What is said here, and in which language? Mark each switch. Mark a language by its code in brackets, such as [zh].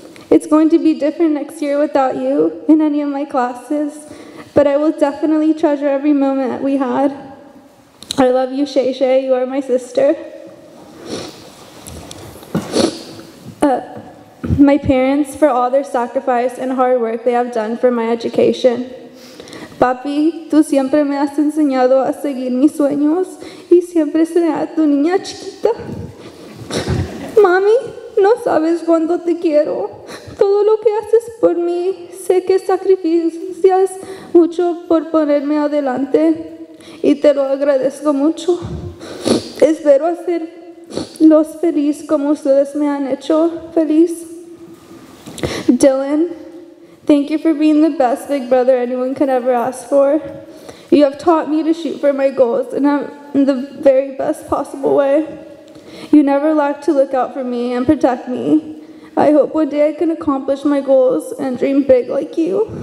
[en] It's going to be different next year without you in any of my classes, but I will definitely treasure every moment that we had. I love you, Shay Shay, you are my sister. My parents for all their sacrifice and hard work they have done for my education. [es] Papi, tú siempre me has enseñado a seguir mis sueños y siempre será tu niña chiquita. Mami, no sabes cuánto te quiero. Todo lo que haces por mí, sé que sacrificias mucho por ponerme adelante. Y te lo agradezco mucho. Espero hacerlos feliz como ustedes me han hecho feliz. [en] Dylan, thank you for being the best big brother anyone could ever ask for. You have taught me to shoot for my goals in the very best possible way. You never lacked to look out for me and protect me. I hope one day I can accomplish my goals and dream big like you.